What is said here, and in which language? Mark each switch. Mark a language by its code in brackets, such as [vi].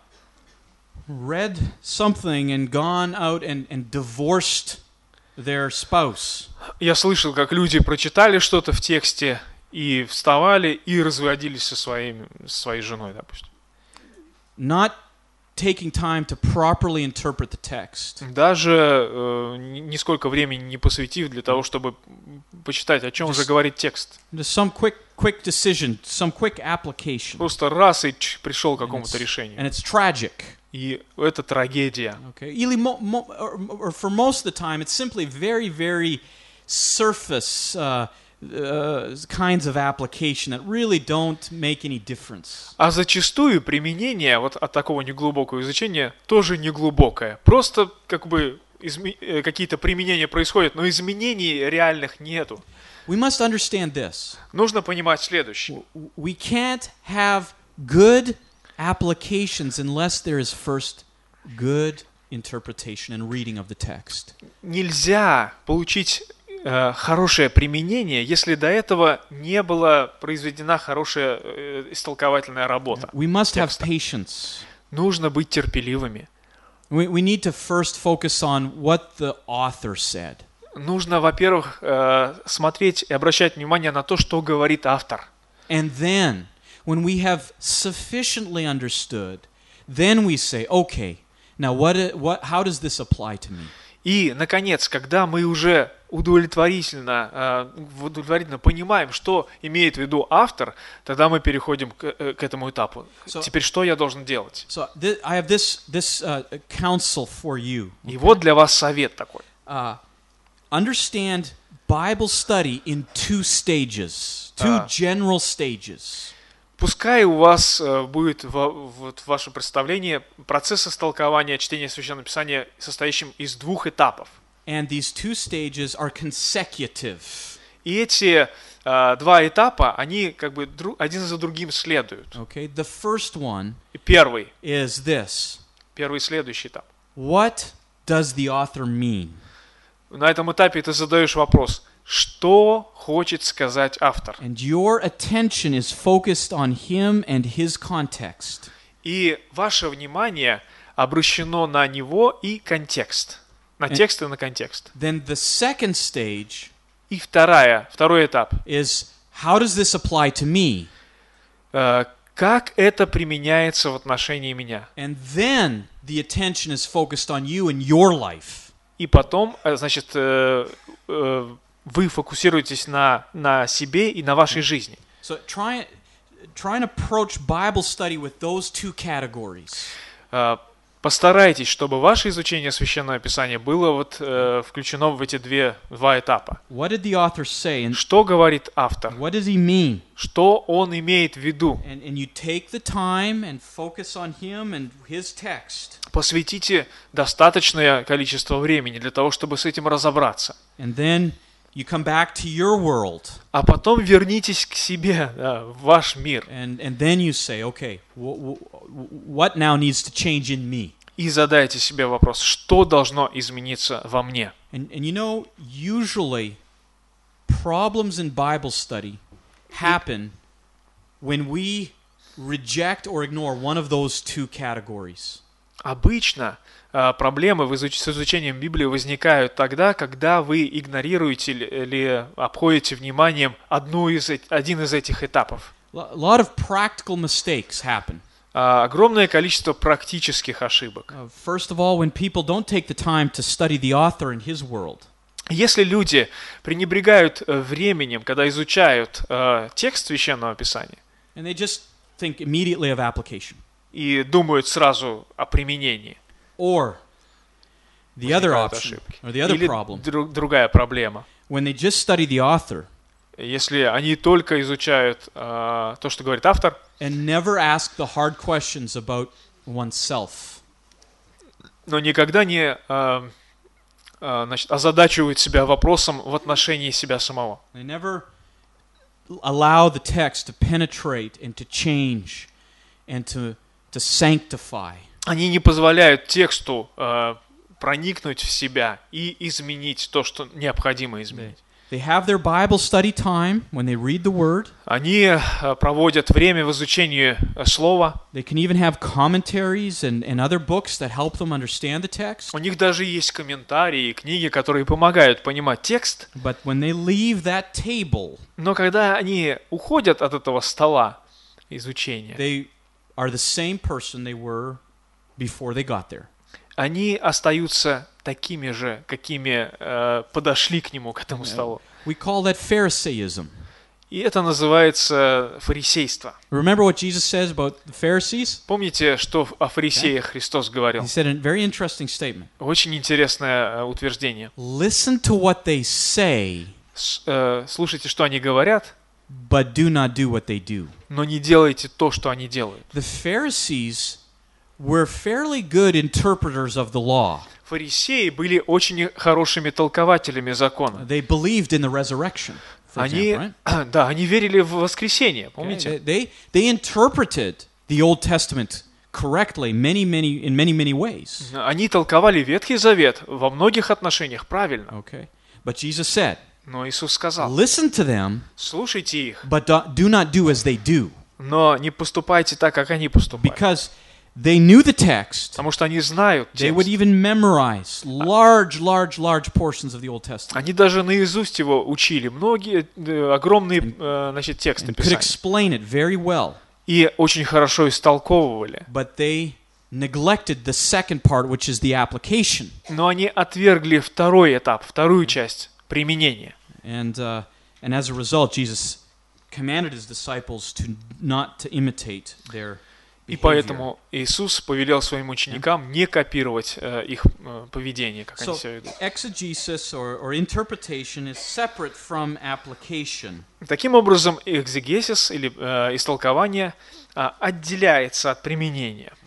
[en] I've heard of people who have read something and gone out and divorced their spouse. [ru] Я слышал, как люди прочитали что-то в тексте и вставали и разводились со своей женой, допустим. [en] Not taking time to properly interpret the text. [ru] Даже нисколько времени не посвятив для того, чтобы почитать, о чем [en] just, [ru] же говорит текст. [en] Just some quick decision, some quick application. [ru] Просто раз и пришел к какому-то решению. [en] And it's tragic. [ru] И это трагедия. [en] Okay. [ru] Или [en] or for most of the time, it's simply very, very surface kinds of application that really don't make any difference. [ru] А зачастую применение вот от такого неглубокого изучения тоже неглубокое. Просто как бы какие-то применения происходят, но изменений реальных нету. [en] We must understand this. [ru] Нужно понимать следующее. [en] We can't have good applications unless there is first good interpretation and reading of the text. [ru] Нельзя получить хорошее применение, если до этого не была произведена хорошая истолковательная работа. [en] We must have patience. [ru] Нужно быть терпеливыми. [en] We need to first focus on what the author said. [ru] Нужно, во-первых, смотреть и обращать внимание на то, что говорит автор. [en] And then, when we have sufficiently understood, then we say, okay, now how does this apply to me? [ru] И, наконец, когда мы уже удовлетворительно понимаем, что имеет в виду автор, тогда мы переходим к этому этапу. [en] So, [ru] теперь что я должен делать? [en] So, I have this counsel for you. Okay. [ru] И вот для вас совет такой. [en] Understand Bible study in two stages, two general stages. [ru] Пускай у вас будет вот ваше представление процесса истолкования чтения Священного Писания, состоящим из двух этапов. [en] And these two stages are consecutive. [ru] И эти два этапа, они как бы один за другим следуют. [en] Okay, the first one. [ru] И первый. [en] Is this. [ru] Первый следующий этап. [en] What does the author mean? [ru] На этом этапе ты задаешь вопрос. Что хочет сказать автор? [en] And your attention is focused on him and his context. [ru] И ваше внимание обращено на него и контекст. На текст и на контекст. [en] Then the second stage. [ru] И второй этап. [en] Is how does this apply to me? [ru] К как это применяется в отношении меня. [en] And then the attention is focused on you and your life. [ru] И потом, значит, вы фокусируетесь на себе и на вашей жизни. [en] So try and approach Bible study with those two categories. [ru] Постарайтесь, чтобы ваше изучение Священного Писания было вот включено в эти два этапа. [en] What did the author say? [ru] Что говорит автор? [en] What does he mean? [ru] Что он имеет в виду? [en] And you take the time and focus on him and his text. [ru] Посвятите достаточное количество времени для того, чтобы с этим разобраться. [en] And then you come back to your world. [ru] А потом вернитесь к себе, да, в ваш мир. [en] And then you say, okay, what now needs to change in me? [ru] И задайте себе вопрос, что должно измениться во мне? [en] And you know, usually problems in Bible study happen when we reject or ignore one of those two categories. [ru] Обычно проблемы с изучением Библии возникают тогда, когда вы игнорируете или обходите вниманием один из этих этапов. [en] Lot of practical mistakes happen. [ru] Огромное количество практических ошибок. [en] First of all, when people don't take the time to study the author and his world. [ru] Если люди пренебрегают временем, когда изучают текст Священного Писания. [en] And they just think immediately of application. [ru] И думают сразу о применении. [en] Or the other option, or the other problem. [ru] Или другая проблема. [en] When they just study the author. [ru] Если они только изучают то, что говорит автор. [en] And never ask the hard questions about oneself. [ru] Но никогда не озадачивают себя вопросом в отношении себя самого. [en] They never allow the text to penetrate and to change and to sanctify. [ru] Они не позволяют тексту проникнуть в себя и изменить то, что необходимо изменить. [en] They have their Bible study time when they read the word. [ru] Они проводят время в изучении слова. [en] They can even have commentaries and other books that help them understand the text. [ru] У них даже есть комментарии и книги, которые помогают понимать текст. [en] But when they leave that table. [ru] Но когда они уходят от этого стола изучения. [en] They are the same person they were before they got there. [ru] Они остаются такими же, какими подошли к нему, к этому столу. [en] We call that Pharisaism. [ru] И это называется фарисейство. [en] Remember what Jesus says about the Pharisees? [ru] Помните, что о фарисеях Христос говорил? [en] He said a very interesting statement. [ru] Очень интересное утверждение. [en] Listen to what they say. [ru] Слушайте, что они говорят. [en] But do not do what they do. [ru] Но не делайте то, что они делают. [en] The Pharisees were fairly good interpreters of the law. [ru] Фарисеи были очень хорошими толкователями закона. [en] They believed in the resurrection, for [ru] они, [en] example, right? [ru] Да, они верили в воскресение, помните? [en] Okay. They interpreted the Old Testament correctly in many ways. [ru] Они толковали Ветхий Завет во многих отношениях правильно. [en] Okay. But Jesus said, [ru] но Иисус сказал, [en] listen to them, [ru] слушайте их, [en] but do not do as they do. [ru] Но не поступайте так, как они поступают. [en] Because they knew the text. [ru] Потому что они знают текст. [en] They would even memorize large portions of the Old Testament. [ru] Они даже наизусть его учили. Многие огромные, значит, тексты писали. [en] Could explain it very well. [ru] И очень хорошо истолковывали. [en] But they neglected the second part, which is the application. [ru] Но они отвергли второй этап, вторую часть применения. [en] And as a result, Jesus commanded his disciples to not to imitate their. [ru] И поэтому Иисус повелел своим ученикам не копировать их поведение, как они себя ведут. [en] Exegesis or interpretation is separate from application. [ru] Таким образом, экзегесис или истолкование отделяется от применения.